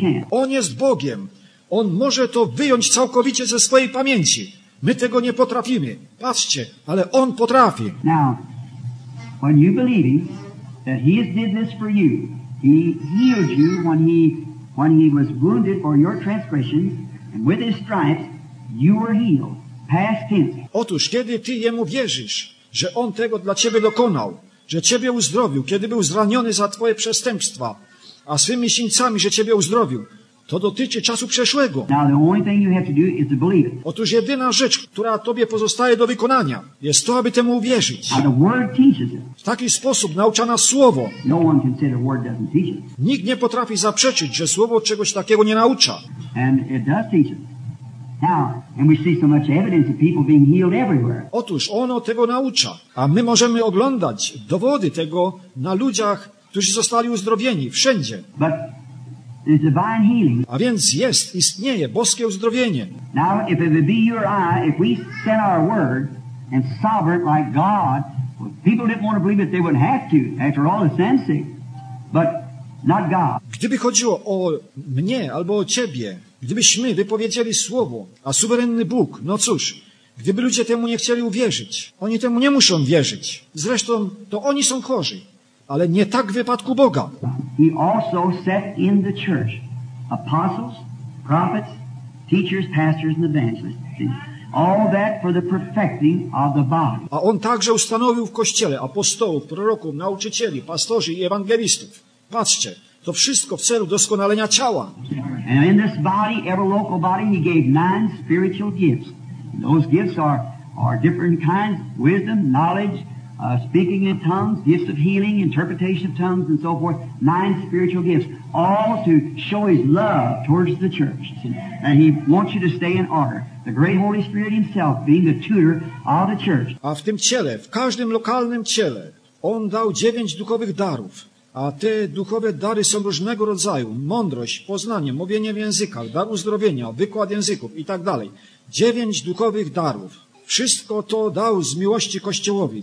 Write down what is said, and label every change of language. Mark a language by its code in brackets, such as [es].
[pl] On jest Bogiem. On może to wyjąć całkowicie ze swojej pamięci. My tego nie potrafimy. Patrzcie, ale On potrafi. [en] Now, when you believe that he has did this for you, he healed you when he was wounded for your transgressions. With his stripes, you were healed. Past tense. [pl] Otóż, kiedy ty jemu wierzysz, że on tego dla ciebie dokonał, że ciebie uzdrowił, kiedy był zraniony za twoje przestępstwa, a swymi sińcami, że ciebie uzdrowił, to dotyczy czasu przeszłego. [en] Now, the only thing you have to do is to believe it. [pl] Otóż, jedyna rzecz, która tobie pozostaje do wykonania, jest to, aby temu uwierzyć. [en] Now, the word teaches it. [pl] W taki sposób naucza nas słowo. [en] No one can say the word doesn't teach it. [pl] Nikt nie potrafi zaprzeczyć, że słowo czegoś takiego nie naucza. [en] And it does teach it. Now, and we see so much evidence of people being healed everywhere. [pl] Otóż ono tego naucza, a my możemy oglądać dowody tego na ludziach, którzy zostali uzdrowieni wszędzie. [en] But there's divine healing. [pl] A więc jest, istnieje boskie uzdrowienie. [en] Now, if it be your eye, if we set our word and sovereign like God, people didn't want to believe it, they wouldn't have to, after all the sensing. But not God. [pl] Gdyby chodziło o mnie albo o ciebie, gdybyśmy wypowiedzieli słowo, a suwerenny Bóg, no cóż, Gdyby ludzie temu nie chcieli uwierzyć, oni temu nie muszą wierzyć. Zresztą to oni są chorzy, ale nie tak w wypadku Boga. [en] He also set in the church apostles, prophets, teachers, pastors and evangelists. All that for the perfecting of the body. [pl] A on także ustanowił w kościele apostołów, proroków, nauczycieli, pastorzy i ewangelistów. Patrzcie, to wszystko w celu doskonalenia ciała. [en] And in this body, every local body, he gave 9 spiritual gifts. And those gifts are different kinds: wisdom, knowledge, speaking in tongues, gifts of healing, interpretation of tongues, and so forth. 9 spiritual gifts, all to show his love towards the church, and he wants you to stay in order. The great Holy Spirit himself being the tutor of the church. [pl] A w tym ciele, w każdym lokalnym ciele, on dał 9 duchowych darów. A te duchowe dary są różnego rodzaju: mądrość, poznanie, mówienie w językach, dar uzdrowienia, wykład języków i tak dalej. 9 duchowych darów. Wszystko to dał z miłości Kościołowi.